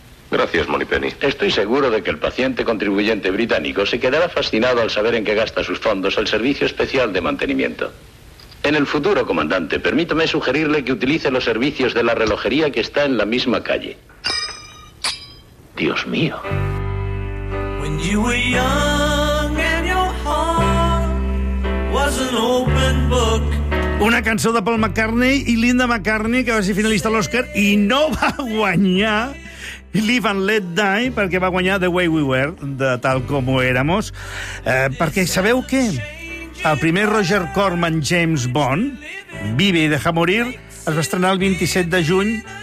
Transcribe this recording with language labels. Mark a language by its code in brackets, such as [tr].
[es] Gracias, Moneypenny. Estoy seguro de que el paciente contribuyente británico se quedará fascinado al saber en qué gasta sus fondos el servicio especial de mantenimiento. En el futuro, comandante, permítame sugerirle que utilice los servicios de la relojería que está en la misma calle. Dios mío. [en] When you were young and your heart was an open book. [ca] Una cançó de Paul McCartney i Linda McCartney, que va ser finalista a l'Oscar i no va guanyar Live and Let Die, perquè va guanyar The Way We Were, de Tal Com Ho Éramos. Perquè sabeu què? El primer Roger Corman James Bond, Vive y Deja Morir, es va estrenar el 27 de juny.